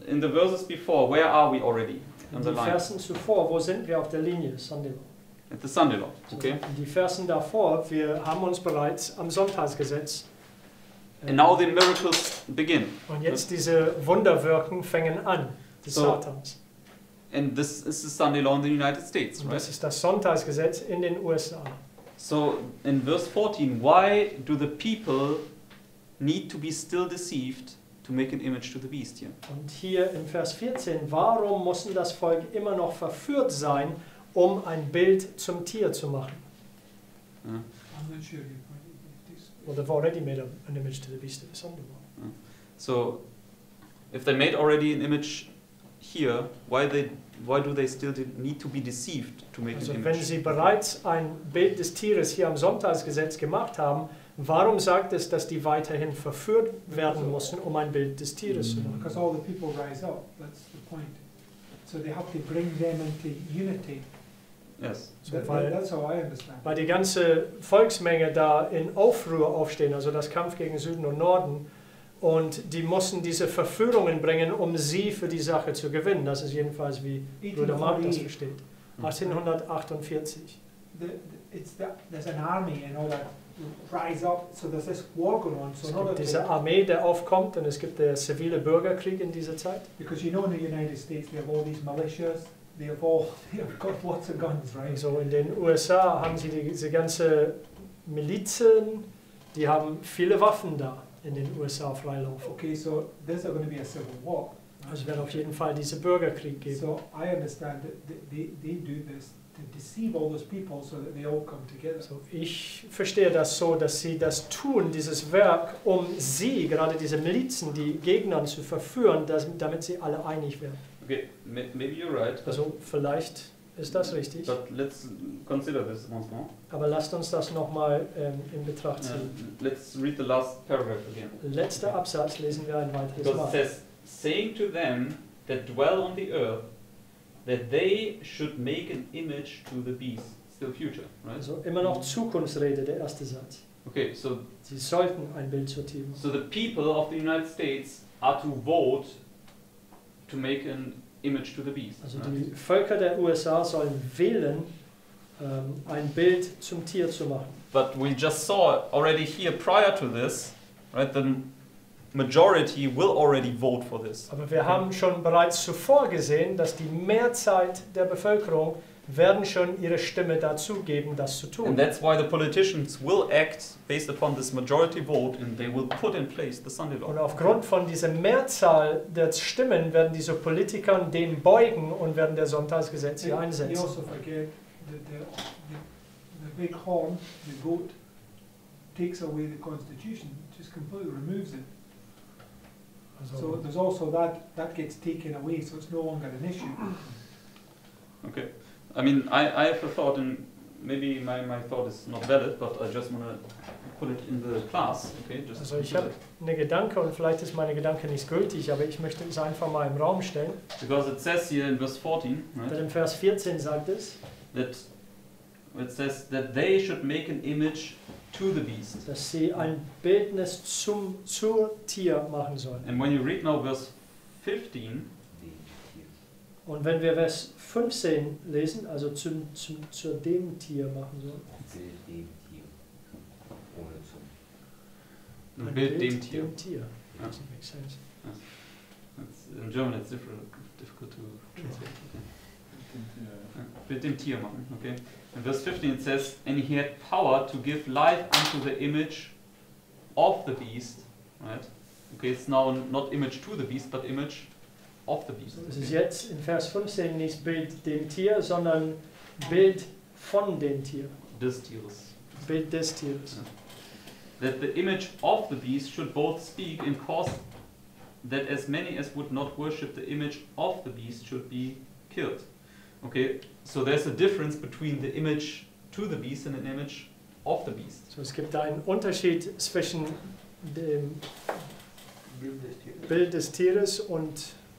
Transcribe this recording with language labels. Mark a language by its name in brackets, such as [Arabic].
[English] In the verses before, where are we already? In the line? [German] Versen zuvor, wo sind wir auf der Linie? [English] Sunday law. At the Sunday law, okay. [German] So, in die Versen davor, wir haben uns bereits am Sonntagsgesetz. [English] And now the miracles begin. [German] Und jetzt diese Wunderwirken fangen an, des [English] so, [German] Satans. [English] And this is the Sunday law in the United States, [German] und [English] right? [German] Das ist das Sonntagsgesetz in den USA. [English] So, in verse 14, why do the people need to be still deceived to make an image to the beast here? [German] Und hier in Vers 14, warum muss das Volk immer noch verführt sein, um ein Bild zum Tier zu machen? [English] I'm not sure this. Well, they've already made an image to the beast in the Sunday law. So, if they made already an image here, why do they still need to be deceived to make [German] also [English] an image? [German] Wenn sie bereits ein Bild des Tieres hier am Sonntagsgesetz gemacht haben, warum sagt es, dass die weiterhin verführt werden müssen, um ein Bild des Tieres zu machen? [English] Because all the people rise up, that's the point. So they have to bring them into unity. Yes. So that's how I understand. [German] Weil die ganze Volksmenge da in Aufruhr aufstehen, also das Kampf gegen Süden und Norden, und die mussten diese Verführungen bringen, um sie für die Sache zu gewinnen. Das ist jedenfalls, wie Bruder Mark das versteht. [English] 1848. There's an army and all that rise up. So there's this war going on. So [German] es gibt diese Armee, der aufkommt, und es gibt der zivile Bürgerkrieg in dieser Zeit. [English] Because you know in the United States they have all these militias. They have got lots of guns, right? [German] So in den USA haben sie diese ganze Milizen, die haben viele Waffen da. In den USA freilaufen. [English] Okay, so there's going to be a civil war. [German] Es wird auf jeden Fall diesen Bürgerkrieg geben. [English] So I understand that they do this to deceive all those people so that they all come together. [German] So ich verstehe das so, dass sie das tun, dieses Werk, um sie, gerade diese Milizen, die Gegner zu verführen, dass, damit sie alle einig werden. [English] Okay, maybe you're right. [German] Also vielleicht ist das richtig. [English] But let's consider this once more. [German] Aber lasst uns das nochmal in Betracht ziehen. [English] Let's read the last paragraph again. [German] Letzter Absatz lesen wir ein weiteres [English] Because [German] Mal. [English] It says, saying to them that dwell on the earth, that they should make an image to the beast. Still future, right? [German] Also immer noch Zukunftsrede, der erste Satz. [English] Okay, so [German] sie sollten ein Bild zur Tiefe. [English] So the people of the United States are to vote to make an image to the beast. [German] Also [English] right? [German] Die Völker der USA sollen wählen, ein Bild zum Tier zu machen. [English] But we just saw already here prior to this, right? The majority will already vote for this. [German] Aber wir haben schon bereits zuvor gesehen, dass die Mehrzahl der Bevölkerung werden schon ihre Stimme dazu geben, das zu tun. [English] And that's why the politicians will act based upon this majority vote and they will put in place the Sunday law. [German] Und aufgrund von dieser Mehrzahl der Stimmen werden diese Politiker den beugen und werden der Sonntagsgesetz hier einsetzen. [English] You also forget that the big horn, the goat, takes away the constitution, just completely removes it. So there's also that gets taken away, so it's no longer an issue. Okay. I mean, I have a thought, and maybe my thought is not valid, but I just want to put it in the class. Okay, just [German] also ich habe eine Gedanke, und vielleicht ist meine Gedanke nicht gültig, aber ich möchte es einfach mal im Raum stellen. [English] Because it says here in verse 14, right? [German] Denn im Vers 14 sagt es, [English] it says that they should make an image to the beast. [German] Dass sie ein Bildnis zur Tier machen sollen. [English] And when you read now verse 15, [German] und wenn wir Vers 15 lesen, also zu dem Tier machen sollen. Dem Tier. Ohne zum. Bild dem Tier. Dem Tier. [English] Yeah. That doesn't make sense. Yeah. In German it's difficult to translate. [German] Yeah. Bild dem Tier machen, okay. [English] In verse 15 it says, and he had power to give life unto the image of the beast. Right? Okay, it's now not image to the beast, but image of the beast. [German] Es ist jetzt in Vers 15 nicht Bild dem Tier, sondern Bild von dem Tier. Des Tieres. Bild des Tieres. Yeah. [English] That the image of the beast should both speak and cause that as many as would not worship the image of the beast should be killed. Okay, so there's a difference between the image to the beast and an image of the beast. [German] So es gibt einen Unterschied zwischen dem Bild des Tieres und